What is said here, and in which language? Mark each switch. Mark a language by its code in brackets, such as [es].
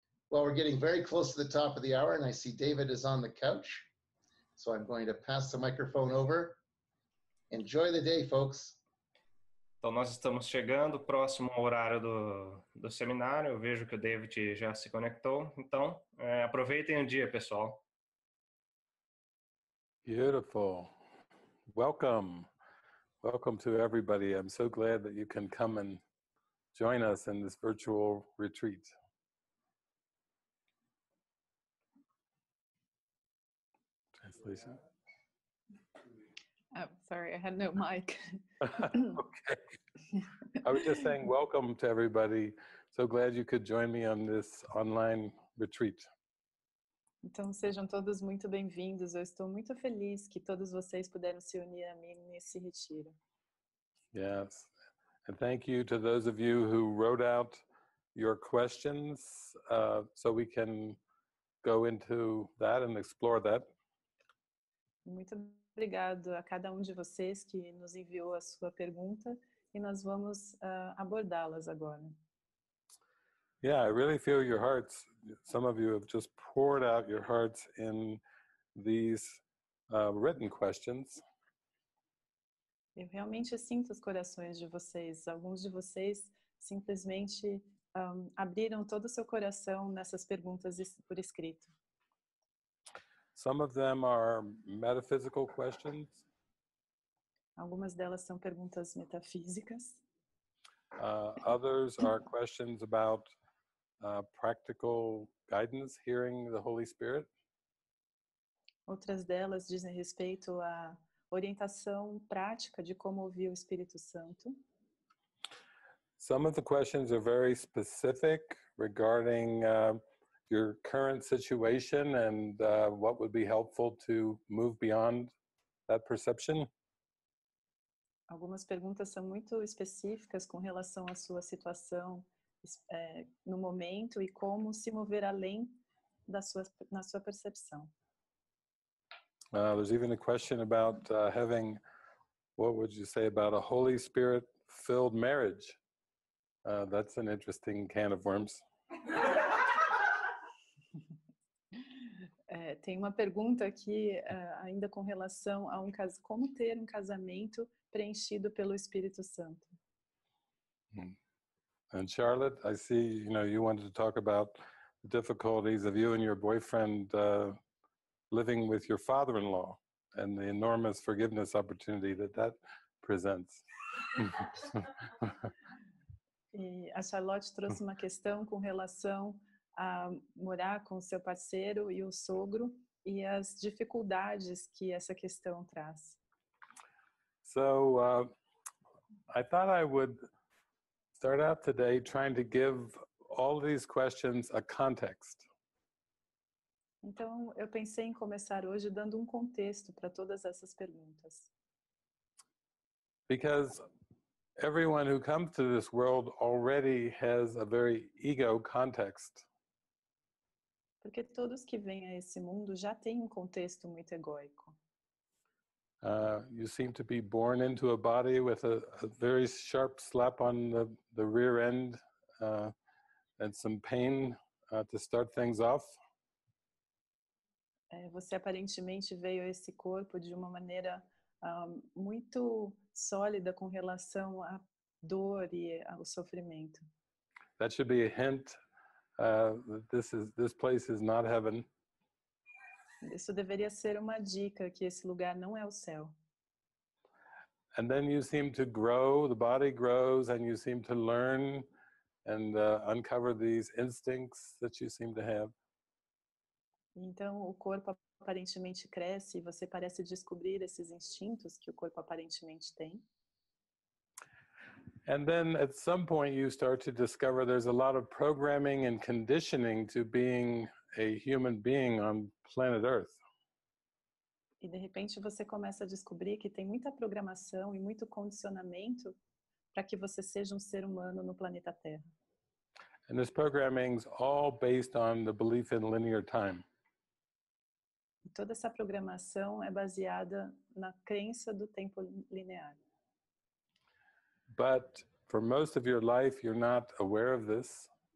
[en] Well, we're getting very close to the top of the hour, and I see David is on the couch. So I'm going to pass the microphone over. Enjoy the day, folks. [pt] Então, nós estamos chegando próximo ao horário do seminário. Eu vejo que o David já se conectou. Então, aproveitem o dia, pessoal. [en] Beautiful. Welcome. Welcome to everybody. I'm so glad that you can come and join us in this virtual retreat. Translation. Oh, sorry, I had no mic. Okay. I was just saying welcome to everybody. So glad you could join me on this online retreat. [pt] Então sejam todos muito bem-vindos. Eu estou muito feliz que todos vocês puderam se unir a mim nesse retiro. [en] Yes. And thank you to those of you who wrote out your questions so we can go into that and explore that. [pt] Muito obrigado a cada um de vocês que nos enviou a sua pergunta e nós vamos abordá-las agora. [en] Yeah, I really feel your hearts. Some of you have just poured out your hearts in these written questions. [pt] Eu realmente sinto os corações de vocês. Alguns de vocês simplesmente abriram todo o seu coração nessas perguntas por escrito. [en] Some of them are metaphysical questions. [pt] Algumas delas são perguntas metafísicas. [en] Others are questions about practical guidance, hearing the Holy Spirit. [pt] Outras delas dizem respeito a orientação prática de como ouvir o Espírito Santo. [en] Some of the questions are very specific regarding your current situation and what would be helpful to move beyond that perception. [pt] Algumas perguntas são muito específicas com relação à sua situação no momento e como se mover além da sua, na sua percepção. [en] There's even a question about having, what would you say, about a Holy Spirit-filled marriage. That's an interesting can of worms. [pt] Tem uma pergunta aqui ainda com relação a como ter um casamento preenchido pelo Espírito Santo. [en] And Charlotte, I see, you know, you wanted to talk about the difficulties of you and your boyfriend living with your father-in-law and the enormous forgiveness opportunity that that presents. [pt] E a Charlotte trouxe uma questão com relação a morar com seu parceiro e o sogro e as dificuldades que essa questão traz. [en] So, I thought I would start out today trying to give all these questions a context. [pt] Então, eu pensei em começar hoje dando contexto para todas essas perguntas. [en] Because everyone who comes to this world already has a very ego context. [pt] Porque todos que vêm a esse mundo já têm contexto muito egoico. [en] You seem to be born into a body with a very sharp slap on the rear end and some pain to start things off. [pt] Você aparentemente veio a esse corpo de uma maneira muito sólida com relação à dor e ao sofrimento. [en] That should be a hint that this place is not heaven. [pt] Isso deveria ser uma dica que esse lugar não é o céu. [en] And then you seem to grow, the body grows, and you seem to learn and uncover these instincts that you seem to have. [pt] Então o corpo aparentemente cresce e você parece descobrir esses instintos que o corpo aparentemente tem. [en] And then at some point you start to discover there's a lot of programming and conditioning to being a human being on planet Earth. [pt] E de repente você começa a descobrir que tem muita programação e muito condicionamento para que você seja ser humano no planeta Terra. [en] And this programming's all based on the belief in linear time. [pt] E toda essa programação é baseada na crença do tempo linear. [en] But for most of your life you're not aware of this.